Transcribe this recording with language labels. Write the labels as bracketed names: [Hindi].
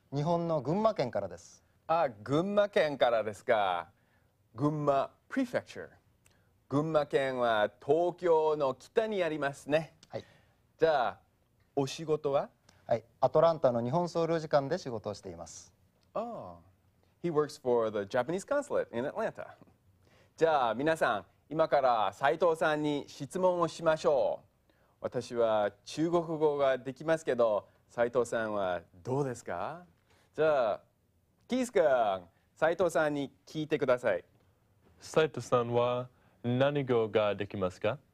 [Japanese] 日本の群馬県からです。 Ah, 群馬県からですか。 [English] 群馬 prefecture。 [Japanese] 群馬県は東京の北にありますね。はい。じゃあ、お仕事は？はい、アトランタの日本総領事館で仕事をしています。 [English] Oh, he works for the Japanese consulate in Atlanta. [Japanese] じゃあ、皆さん、今から斉藤さんに質問をしましょう。私は中国語ができますけど、斉藤さんはどうですか？じゃあ、キース君、斉藤さんに聞いてください。斉藤さんは何語ができますか？